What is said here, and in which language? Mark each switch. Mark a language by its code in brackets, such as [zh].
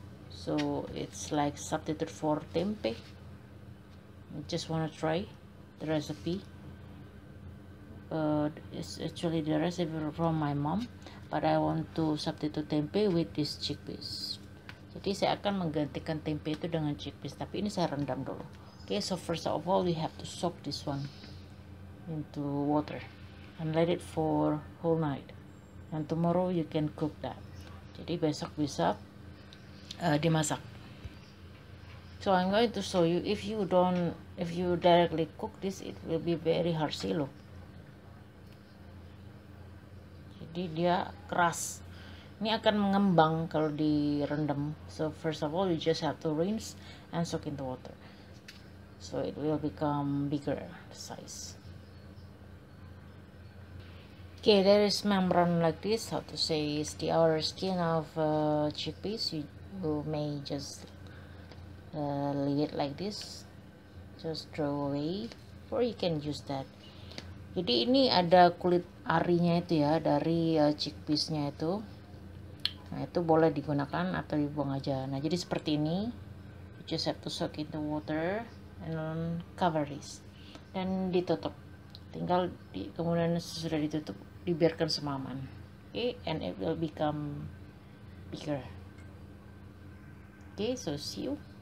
[en] So it's like substitute for tempe. I just wanna try the recipe. It's actually the recipe from my mom. But I want to substitute tempe with this chickpeas. [id] Jadi saya akan menggantikan tempe itu dengan chickpeas. Tapi ini saya rendam dulu. [en] Okay, so first of all, we have to soak this one into water and let it for whole night. And tomorrow you can cook that. [id] Jadi besok bisa dimasak. [en] So I'm going to show you. If you directly cook this, it will be very hard. See, look. [id] Jadi dia keras. Ini akan mengembang kalau direndam. [en] So first of all, you just have to rinse and soak in the water. So it will become bigger size. Okay, there is membrane like this. How to say, is the outer skin of chickpeas. You may just leave it like this. Just throw away, or you can use that. [id] Jadi ini ada kulit arinya itu ya, dari chickpeasnya itu. Nah, itu boleh digunakan atau dibuang aja. Nah, jadi seperti ini. [en] You just have to soak in the water and cover this. [id] Dan ditutup. Tinggal di, kemudian sesudah ditutup, dibiarkan semaman. [en] Okay, and it will become bigger. Okay, so see you.